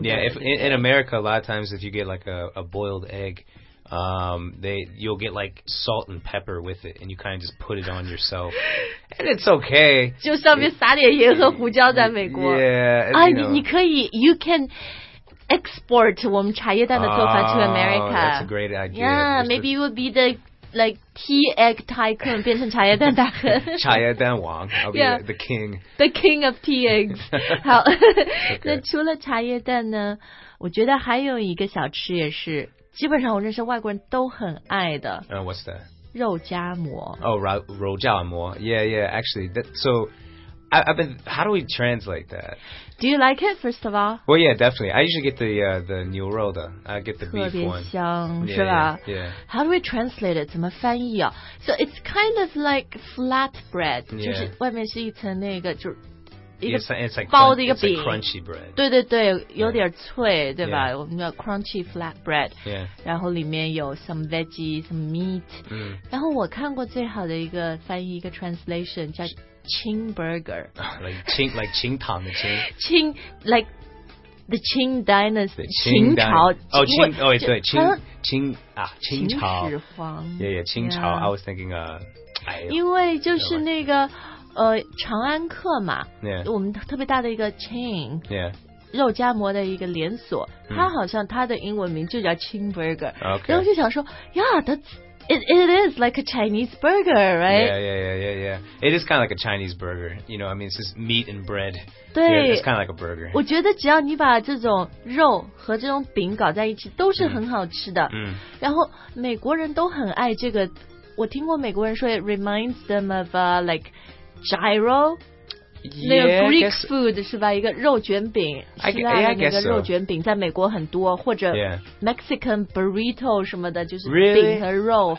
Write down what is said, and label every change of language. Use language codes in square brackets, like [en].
[en] Yeah, if in America, a lot of times if you get like a boiled egg,you'll get like salt and pepper with it, and you kind of just put it on yourself. And it's okay. [zh] 就上面撒点盐和胡椒在美国。 [en] Yeah. [zh] 你可以 [en] you can export [zh] 我们茶叶蛋的做法 [en] to America. That's a great idea. Yeah, maybe you would be the like tea egg tycoon, [zh] 变成茶叶蛋大亨。茶叶蛋王 [en] I'll be the king. The king of tea eggs. [zh] 好，那除了茶叶蛋呢？我觉得还有一个小吃也是。基本上我认识外国人都很爱的。 [en] What's that? [zh] 肉夹馍。 [en] Oh, 肉夹馍。Yeah, yeah, actually. So, how do we translate that? Do you like it, first of all? Well, yeah, definitely. I usually get the [zh] 牛肉的。 [en] I get the beef one. [zh] 特别香，是吧？ [en] Yeah. How do we translate it? [zh] 怎么翻译啊？ [en] So, it's kind of like flat bread. Yeah. [zh] 就是外面是一层那个，就包的一个饼 [en] it's like crunchy bread. [zh] 对对对有点脆对吧我们叫 [en] crunchy flat bread、 yeah. [zh] 然后里面有 [en] some veggie some meat、 [zh] 然后我看过最好的一个翻译一个 translation 叫 [en] ching burger like ching [zh] 糖的 [en] ching ching like the ching dynasty [zh] 清朝 [en] ching, 哦 ching 哦对 ching, ching,、啊、 [zh] 清朝秦始皇 [en] yeah yeah [zh] 清朝 [en] yeah. I was thinking、 [zh] 因为就是那个长安客嘛、 [en] yeah. [zh] 我们特别大的一个 chain、 [en] yeah. [zh] 肉夹馍的一个连锁它好像它的英文名就叫 [en] chain burger、 okay. [zh] 然后就想说 [en] yeah, that's It is like a Chinese burger, right? Yeah. It is kind of like a Chinese burger. You know, I mean, it's just meat and bread. [zh] 对。 [en] Yeah, it's kind of like a burger. [zh] 我觉得只要你把这种肉和这种饼搞在一起都是很好吃的。嗯。然后美国人都很爱这个。我听过美国人说 [en] it reminds them of like gyro. [zh] 那 [en] 个 Greek guess, [zh] food 是吧一个肉卷饼希腊的那个肉卷饼在美国很多或者 [en] Mexican burrito [zh] 什么的就是饼和肉